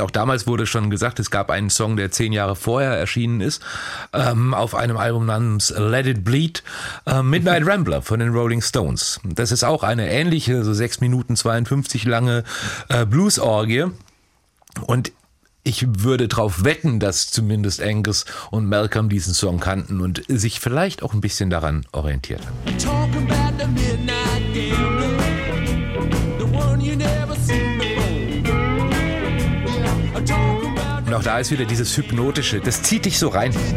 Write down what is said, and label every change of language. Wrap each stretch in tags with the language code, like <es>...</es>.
<de>Auch damals wurde schon gesagt, es gab einen Song, der 10 Jahre vorher erschienen ist, auf einem Album namens Let It Bleed, Midnight Rambler von den Rolling Stones. Das ist auch eine ähnliche, so 6 Minuten 52 lange Blues-Orgie. Und ich würde darauf wetten, dass zumindest Angus und Malcolm diesen Song kannten und sich vielleicht auch ein bisschen daran orientiert.</de> <en>Talk about the midnight game.</en> <de>Und auch da ist wieder dieses Hypnotische, das zieht dich so rein.</de>